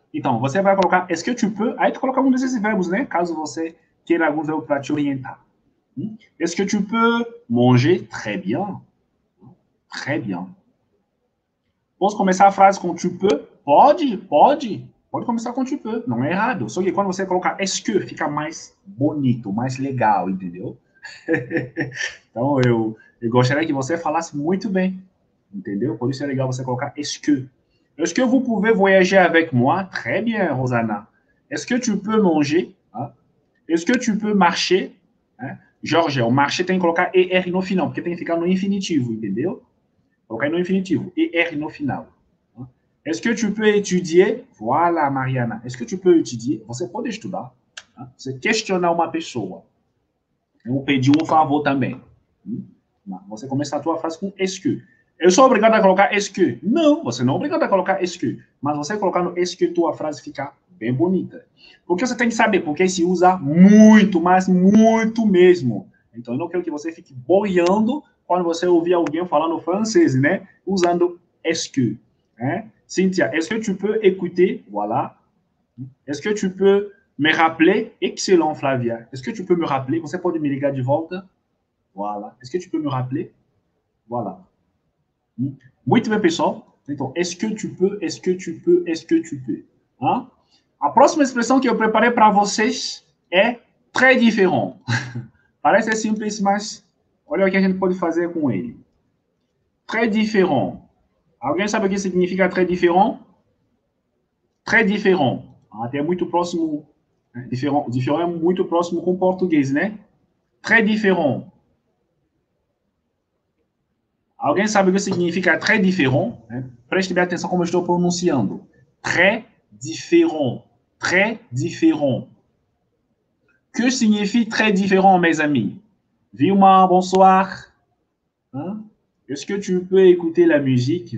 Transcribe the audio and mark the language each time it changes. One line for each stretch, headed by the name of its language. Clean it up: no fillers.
Portuguese: Então, você vai colocar,
French: est-ce que tu peux,
Portuguese: aí tu coloca um desses verbos, né? Caso você queira algum verbo para te orientar.
French: Est-ce que tu peux manger? Très bien. Très bien.
Portuguese: Posso começar a frase com
French: tu peux?
Portuguese: Pode, pode. Pode começar com tu peux. Não é errado. Só que quando você colocar est-ce que, fica mais bonito, mais legal, entendeu? Então, eu gostaria que você falasse muito bem. Entendeu? Por isso é legal você colocar est-ce que.
French: Est-ce que vous pouvez voyager avec moi? Très bien, Rosanna. Est-ce que tu peux manger? Est-ce que tu peux marcher?
Portuguese: Georges, o marcher tem que colocar ER no final, porque tem que ficar no infinitivo, entendeu? Colocar no infinitivo, ER no final.
French: Est-ce que tu peux étudier? Voilà, Mariana. Est-ce que tu peux étudier?
Portuguese: Você pode estudar. Você questionar uma pessoa. Ou pedir um favor também. Você começa a tua frase com est-ce que. Eu sou obrigado a colocar est-ce que? Não, você não é obrigado a colocar est-ce que. Mas você colocar no est-ce que tua frase fica bem bonita. Porque você tem que saber, porque se usa muito, mas muito mesmo. Então, eu não quero que você fique boiando quando você ouvir alguém falando francês, né? Usando est-ce que. Né?
French: Cynthia, est-ce que tu peux écouter? Voilà. Est-ce que tu peux me rappeler? Excellent, Flavia. Est-ce que tu peux me rappeler?
Portuguese: Você pode me ligar de volta?
French: Voilà. Est-ce que tu peux me rappeler? Voilà.
Portuguese: Muito bem, pessoal.
French: Então, est-ce que tu peux, est-ce que tu peux, est-ce que tu peux. Hein?
Portuguese: A próxima expressão que eu preparei para vocês é très différent. Parece simples, mas olha o que a gente pode fazer com ele.
French: Très différent.
Portuguese: Alguém sabe o que significa
French: très différent? Très différent.
Portuguese: Até muito próximo. Différent, différent é muito próximo com português, né? Très différent. Alguém sabe o que significa très différent? Preste bem atenção como eu estou pronunciando.
French: Très différent. Très différent. Que signifie très différent, mes amis? Vilma, bonsoir. Est-ce que tu peux écouter la musique?